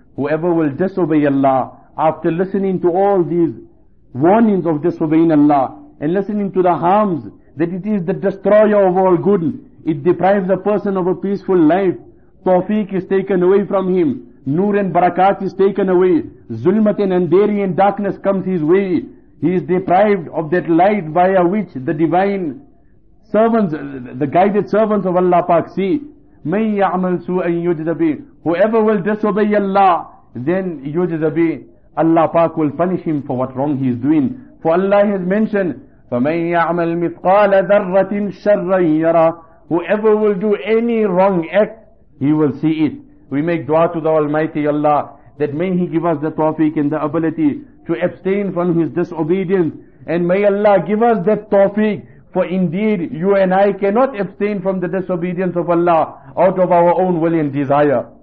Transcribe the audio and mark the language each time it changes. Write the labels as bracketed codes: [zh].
[en] Whoever will disobey Allah after listening to all these warnings of disobeying Allah and listening to the harms, that it is the destroyer of all good, it deprives a person of a peaceful life, tawfiq is taken away from him, noor and barakat is taken away, zulmat and andheri and darkness comes his way, he is deprived of that light via which the divine servants, the guided servants of Allah Pak see. [ar] مَنْ يَعْمَلْ سُوءًا يُجْزَبِي. [en] Whoever will disobey Allah, then [ar] يُجْزَبِي. [en] Allah Pak will punish him for what wrong he is doing. For Allah has mentioned, [ar] فَمَنْ يَعْمَلْ مِثْقَالَ ذَرَّةٍ شَرًّا يَرَى. [en] Whoever will do any wrong act, he will see it. We make dua to the Almighty Allah, that may He give us the tawfiq and the ability to abstain from His disobedience. And may Allah give us that tawfiq. For indeed, you and I cannot abstain from the disobedience of Allah out of our own will and desire.